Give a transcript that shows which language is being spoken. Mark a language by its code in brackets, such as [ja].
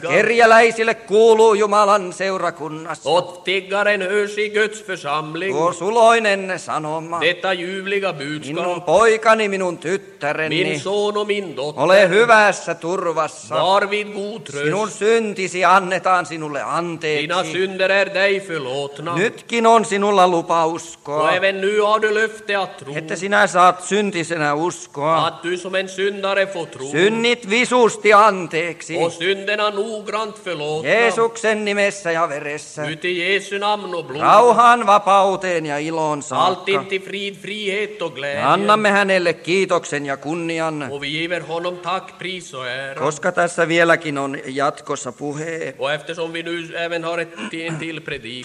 [fi] kerjäläisille kuuluu Jumalan seurakunnassa. [sv] Och tiggaren hörs i Guds församling. [fi] Tuo suloinen sanoma. [sv] Detta ljuvliga budskap. [fi] Minun poikani, minun tyttäreni. [sv] Min son och min dotter. [fi] Ole hyvässä turvassa. [sv] Var vid god tröst. [fi] Sinun syntisi annetaan sinulle anteeksi. [sv] Dina synder är dig förlåtna. [fi] Nytkin on sinulla lupa uskoa. [sv] Och även nu har du löfte att tro. [fi] Että sinä saat syntisenä uskoa. [sv] Att du som en syndare får tro. [fi] Synnit visusti anteeksi. [sv] Och synderna noggrant förlåtna. [fi] Jeesuksen nimessä ja veressä. [sv] Nyt i Jesu namn och blod. [fi] Rauhan, vapauteen ja ilon saakka. [sv] Alltid till frid, frihet och glädje. [fi] Annamme hänelle kiitoksen ja kunnian. [sv] Och vi giver honom tack, pris och ära. [fi] Koska tässä vieläkin on jatkossa puhe. [sv] Och eftersom vi nu även har ett till predikan.